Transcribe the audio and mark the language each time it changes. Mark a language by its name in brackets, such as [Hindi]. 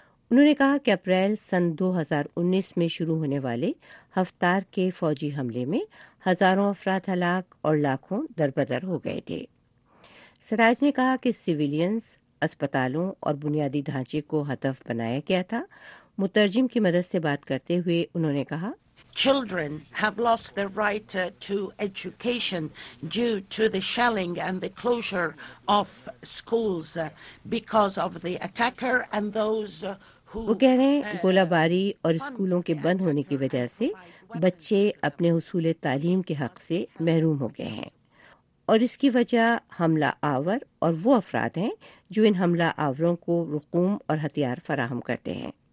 [Urdu] انہوں نے کہا کہ اپریل سن 2019 میں شروع ہونے والے حفتار کے فوجی حملے میں ہزاروں افراد ہلاک اور لاکھوں دربدر ہو گئے تھے. سراج نے کہا کہ سیویلینز, اسپتالوں اور بنیادی ڈھانچے کو ہدف بنایا گیا تھا. مترجم کی مدد سے بات کرتے ہوئے انہوں نے کہا [English] children have lost their right to education due to the shelling and the closure of schools because of the attacker and those who [Urdu] وہ کہہ رہے ہیں گولہ باری اور اسکولوں کے بند ہونے کی وجہ سے بچے اپنے حصول تعلیم کے حق سے محروم ہو گئے ہیں اور اس کی وجہ حملہ آور اور وہ افراد ہیں جو ان حملہ آوروں کو رقوم اور ہتھیار فراہم کرتے ہیں۔